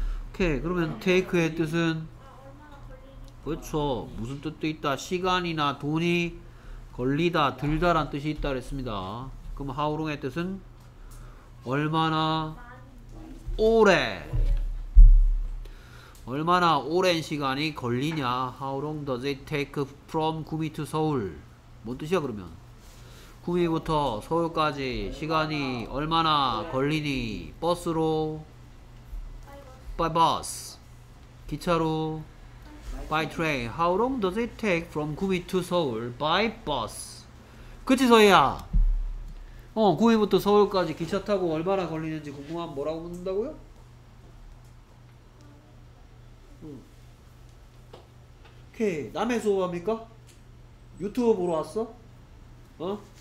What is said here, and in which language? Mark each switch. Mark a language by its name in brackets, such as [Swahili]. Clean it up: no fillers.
[Korean] 오케이. 그러면 take의 뜻은? 그렇죠. 무슨 뜻도 있다. 시간이나 돈이 걸리다, 들다란 뜻이 있다 그랬습니다. 그럼 How long의 뜻은? 얼마나 오래? 얼마나 오랜 시간이 걸리냐? [English] How long does it take from 구미 to 서울? [Korean] 뭔 뜻이야 그러면? 구미부터 서울까지 시간이 얼마나 걸리니? 버스로? [English] By bus. [Korean] 기차로? [English] By train. How long does it take from 구미 to 서울? By bus. [Korean] 그치 서희야? 어, 구미부터 서울까지 기차 타고 얼마나 걸리는지 궁금하면 뭐라고 묻는다고요? 오케이. 남의 수업합니까? 유튜브 보러 왔어? 어?